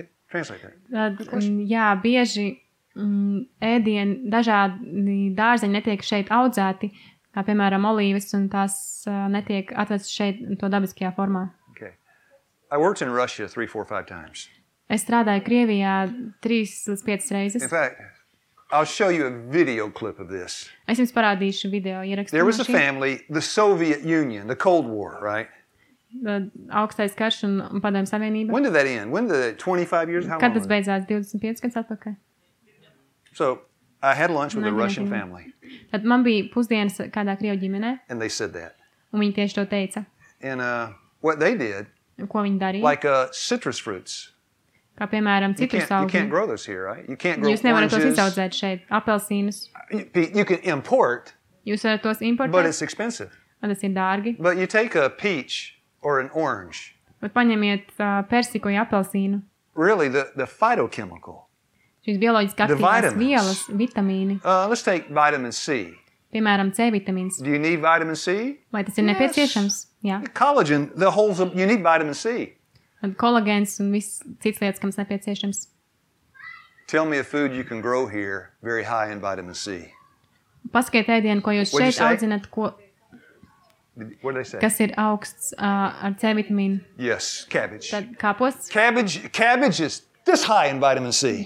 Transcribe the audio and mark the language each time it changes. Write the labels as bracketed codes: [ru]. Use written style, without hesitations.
[lv] Tad, jā, bieži ēdieni, dažādi dārzeņi netiek šeit audzēti, kā piemēram olīvas, un tās netiek atvestas šeit to dabiskajā formā. [en] Okay. I worked in Russia 3-4-5 times. [lv] Es strādāju Krievijā 3-5 reizes. [en] In fact, I'll show you a video clip of this. [lv] Es jums parādīšu video ierakstu. [en] There was a family, the Soviet Union, the Cold War, right? [lv] Augstais karš un padomju savienība. [en] When did that end? When did that 25 years? How [lv] kad tas beidzās? 25 gads atpakaļ. [en] So, I had lunch with a Russian family. [lv] Tad man bija pusdienas kādā krievu ģimenē. [en] And they said that. [lv] Un viņi tieši to teica. [en] And what they did, [lv] ko viņi darīja? [en] Like citrus fruits. [lv] Kā piemēram citrus augi. [en] You can't grow those here, right? You can't grow [lv] oranges. Jūs nevarat tos izaudzēt šeit. Apelsīnus. [en] You can import. [lv] Jūs varat tos importēt. [en] But it's expensive. [lv] Un tas ir dārgi. [en] But you take a peach or an orange. [lv] Bet paņemiet persiku vai apelsīnu. [en] Really the phytochemical. [lv] Šīs bioloģiskās aktīvās vielas, vitamīni. [en] Let's take vitamin C. [lv] Piemēram, C vitamīns. [en] Do you need vitamin C? [lv] Vai tas ir nepieciešams? Jā. [en] Collagen, the whole you need vitamin C. [lv] Un kolagens un viss cits lietas, kas nepieciešams. [en] Tell me a food you can grow here very high in vitamin C. [lv] Pasakiet ēdienu, ko jūs šeit audzināt, ko [en] what did they say? [lv] Kas ir augsts ar C vitamīnu? [en] Yes, cabbage. [lv] Tad kāposts? [en] Cabbage is this high in vitamin C.